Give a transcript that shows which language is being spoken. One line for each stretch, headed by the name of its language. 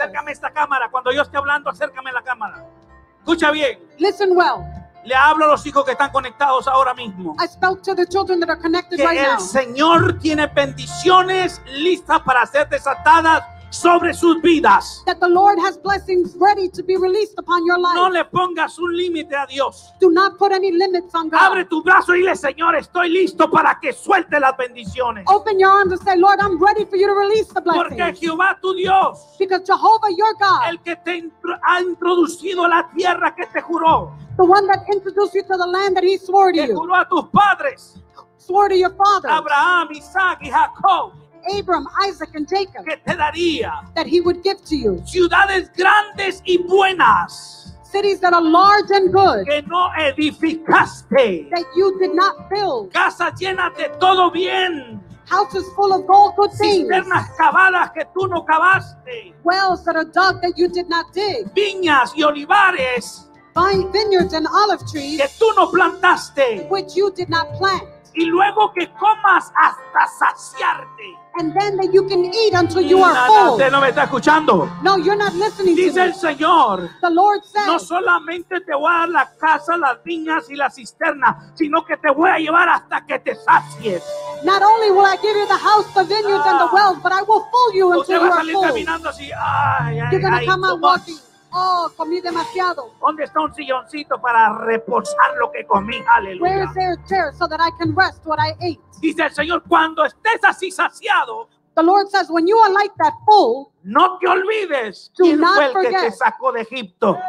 Spanish: Acércame esta cámara. Cuando yo esté hablando, acércame la cámara. Escucha bien.
English: Listen well.
Spanish: Le hablo a los hijos que están conectados ahora mismo.
English: I spoke to the children that are connected right now.
Spanish: Que el Señor tiene bendiciones listas para ser desatadas sobre sus vidas.
English: That the Lord has blessings ready to be released upon your life.
Spanish: No le pongas un límite a Dios.
English: Do not put any limits on God.
Spanish: Abre tu brazo y dile, Señor, estoy listo para que suelte las bendiciones.
English: Open your arms and say, Lord, I'm ready for you to release the blessings.
Spanish: Porque Jehová tu Dios,
English: because Jehovah your God,
Spanish: el que te ha introducido a la tierra que te juró,
English: the one that introduced you to the land that he swore to you,
Spanish: que juró a tus padres,
English: swore to your fathers,
Spanish: Abraham, Isaac, y Jacob,
English: Abraham, Isaac, and Jacob,
Spanish: que te daría,
English: that he would give to you,
Spanish: ciudades grandes y buenas,
English: cities that are large and good,
Spanish: que no edificaste,
English: that you did not build,
Spanish: casas llenas de todo bien,
English: houses full of all good things,
Spanish: cisternas cavadas que tú no cavaste,
English: wells that are dug that you did not dig,
Spanish: viñas y olivares,
English: vineyards and olive trees,
Spanish: que tú no plantaste,
English: which you did not plant,
Spanish: y luego que comas hasta saciarte,
English: and then that you can eat until you are full.
Spanish: Usted no me está escuchando.
English: No, you're not listening.
Spanish: Dice
English: to
Spanish: el Señor,
English: the Lord says,
Spanish: no solamente te voy a dar la casa, las viñas y la cisterna, sino que te voy a llevar hasta que te sacies.
English: Not only will I give you the house, the vineyards, and the wells, but I will fill you until you are full.
Spanish: Usted va a salir caminando así,
English: you're gonna come out walking.
Spanish: Oh, comí demasiado. ¿Dónde está un silloncito para reposar lo que comí? Aleluya.
English: Where is there a chair so that I can rest what I ate?
Spanish: Dice el Señor, cuando estés así saciado,
English: the Lord says, when you are like that full,
Spanish: no te olvides quién fue el que te sacó de Egipto.